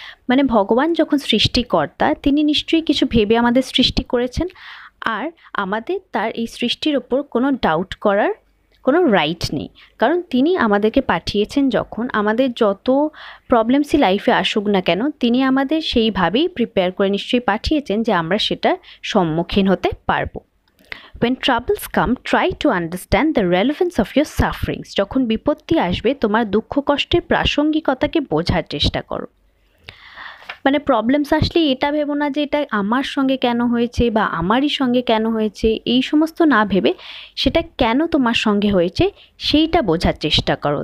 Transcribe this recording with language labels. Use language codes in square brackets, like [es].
[bn] মানে ভগবান যখন সৃষ্টিকর্তা, তিনি নিশ্চয়ই কিছু ভেবে আমাদের সৃষ্টি করেছেন, আর আমাদের তার এই সৃষ্টির ওপর কোনো ডাউট করার কোনো রাইট নেই, কারণ তিনি আমাদেরকে পাঠিয়েছেন। যখন আমাদের যত প্রবলেমসই লাইফে আসুক না কেন, তিনি আমাদের সেইভাবেই প্রিপেয়ার করে নিশ্চয়ই পাঠিয়েছেন যে আমরা সেটার সম্মুখীন হতে পারবো। [en] When troubles come, try to understand the relevance of your sufferings. [bn] যখন বিপত্তি আসবে, তোমার দুঃখ কষ্টের প্রাসঙ্গিকতাকে বোঝার চেষ্টা করো। মানে প্রবলেমস আসলে এটা ভেবো না যে এটা আমার সঙ্গে কেন হয়েছে বা আমারই সঙ্গে কেন হয়েছে, এই সমস্ত না ভেবে সেটা কেন তোমার সঙ্গে হয়েছে সেইটা বোঝার চেষ্টা করো।